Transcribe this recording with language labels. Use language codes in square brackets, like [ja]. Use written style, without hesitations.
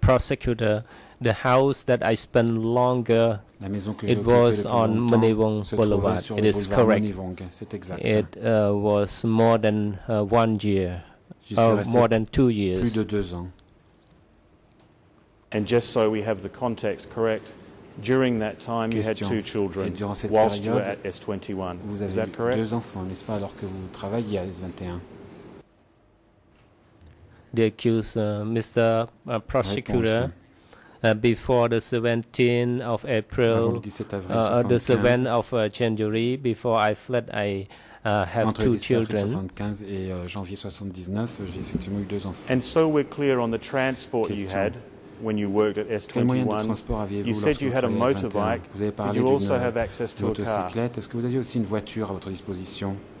[en] Prosecutor, the house that I spent longer, it was on Menewong Boulevard. It is correct. It was more than 1 year, more than 2 years. [fr] Plus de deux ans. [en] And just so we have the context correct, during that time you had two children whilst you were at S21. Is that correct? [fr] Deux enfants, n'est-ce pas, alors que vous travailliez à S21. [en] The accused, Mr. Prosecutor, before the 17th of April, the 7th of January, before I fled, I have [fr] entre [en] two children. [fr] Et, janvier 79, j'ai effectivement eu deux enfants. [en] And so we're clear on the transport question. You had. when you worked at S21? You said you had a motorbike. Did you also have access to a car? [fr] Est-ce que vous aviez aussi une voiture à votre disposition?